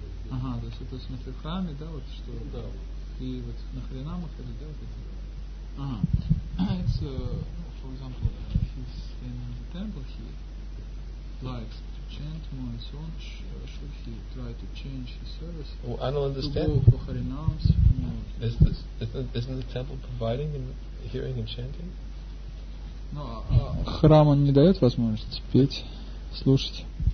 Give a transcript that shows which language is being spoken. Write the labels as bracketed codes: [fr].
[ru] Ага, то есть это в смысле в храме, да, вот что? Да. И вот на хрена мы ходили, да, вот это? Ага. [en] It's, for example, he's in the temple, he likes chant more and so on, should he try to change his service? Well, I don't understand. To go for harinams, no. Isn't the temple providing him hearing and chanting? [ru] No, храм он не дает возможность петь, слушать.